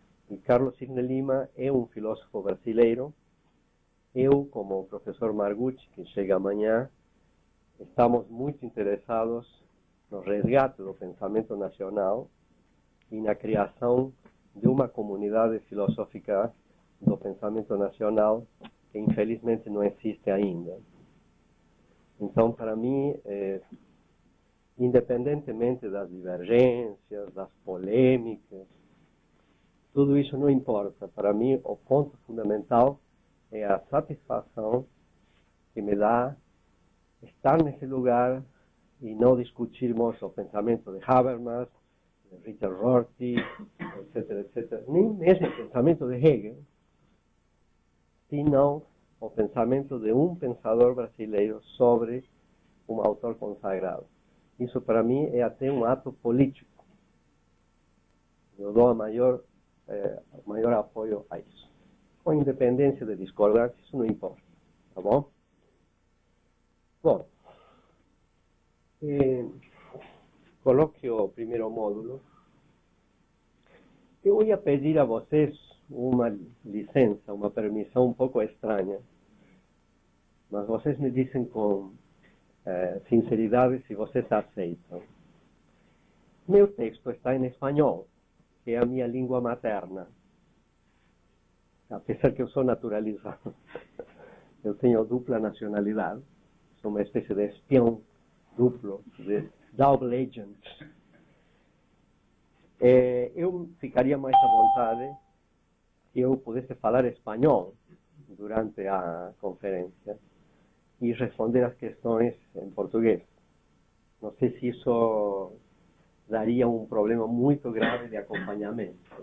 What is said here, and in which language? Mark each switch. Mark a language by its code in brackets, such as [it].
[pt] E Carlos Cirne Lima é um filósofo brasileiro. Eu, como o professor Margucci, que chega amanhã, estamos muito interessados no resgate do pensamento nacional e na criação de uma comunidade filosófica do pensamento nacional que infelizmente no existe ainda. [es] Entonces, para mí, independientemente de las divergencias, de las polémicas, todo eso no importa. Para mí, el punto fundamental es la satisfacción que me da estar en ese lugar y no discutirmos el pensamiento de Habermas, de Richard Rorty, etcétera, etcétera, ni mesmo el pensamiento de Hegel, sino el pensamiento de un pensador brasileño sobre un autor consagrado. Eso para mí es até un acto político. Yo doy mayor apoyo a eso. Con independencia de discordar, eso no importa. [pt] ¿Está bom? [es] Bueno, coloqueo el primer módulo. Yo voy a pedir a vocês una licencia, una permisión un poco extraña, mas vocês me dicen con sinceridad si vocês aceitan. Meu texto está en español, que es mi lengua materna, a pesar que yo soy naturalizado. Yo tengo dupla nacionalidad, soy una especie de espión duplo, de [en] double agent. [pt] Eu ficaria mais à vontade se eu pudesse falar espanhol durante a conferência e responder as questões em português. Não sei se isso daria um problema muito grave de acompanhamento.